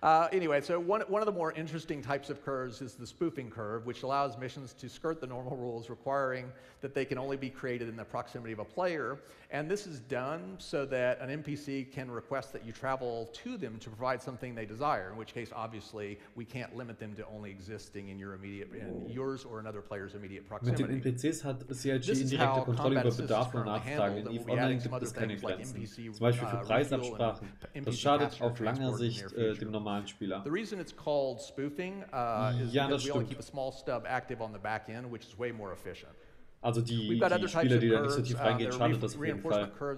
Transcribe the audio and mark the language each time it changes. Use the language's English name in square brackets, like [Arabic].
[English] Anyway, so one of the more interesting types of curves is the spoofing curve, which allows missions to skirt the normal rules requiring that they can only be created in the proximity of a player. And this is done so that an NPC can request that you travel to them to provide something they desire, in which case, obviously, we can't limit them to only existing in your immediate, in yours or another player's immediate proximity. [German] Mit den NPCs hat CIG indirekte Kontrolle über Bedarf und Nachfragen. In EVE Online gibt es keine Grenzen. Zum Beispiel für Preisabsprachen. Das schadet auf langer Sicht dem normalen Spieler. [English] The reason it's called spoofing is because we only keep a small stub active on the back end, which is way more efficient. [German] Also die Spieler, die da nicht so tief reingehen, schadet das auf jeden Fall.